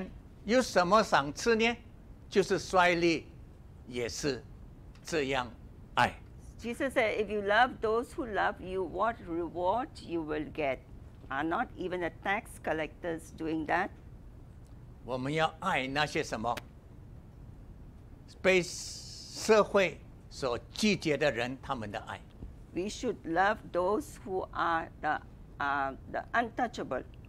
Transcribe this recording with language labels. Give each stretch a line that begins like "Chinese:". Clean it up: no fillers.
Chinese: 耶稣说,你们若爱那爱你们的人,有什么赏赐呢? 就是率力也是这样爱。
English: Jesus said, if you love those who love you, what reward you will get? Are not even the tax collectors doing that?
Chinese: 我们要爱那些什么? 被社会所拒绝的人,他们的爱。
English: We should love those who are the untouchable.